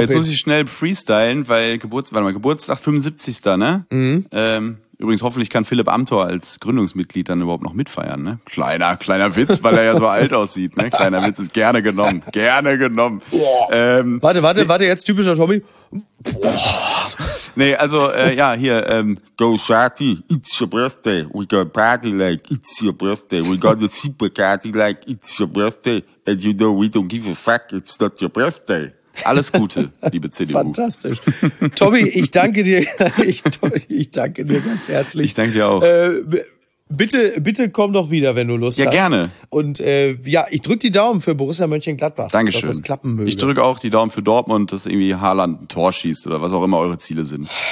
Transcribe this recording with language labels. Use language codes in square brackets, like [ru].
[de] Jetzt muss ich schnell freestylen, weil Geburtstag 75. ne? Mhm. Übrigens, hoffentlich kann Philipp Amthor als Gründungsmitglied dann überhaupt noch mitfeiern, ne? Kleiner Witz, weil er ja so alt aussieht, ne? Kleiner Witz ist gerne genommen. Boah. Warte, jetzt typischer Tommy. Nee, also ja, hier, [en] go Sati, it's your birthday, we got party like it's your birthday, we got the super party like it's your birthday, and you know we don't give a fuck, it's not your birthday. [de] Alles Gute, liebe CDU. Fantastisch. Tommy, ich danke dir. Ich danke dir ganz herzlich. Ich danke dir auch. Bitte komm doch wieder, wenn du Lust hast. Ja, gerne. Und ich drücke die Daumen für Borussia Mönchengladbach. Dankeschön. Dass das klappen möge. Ich drücke auch die Daumen für Dortmund, dass irgendwie Haaland ein Tor schießt oder was auch immer eure Ziele sind.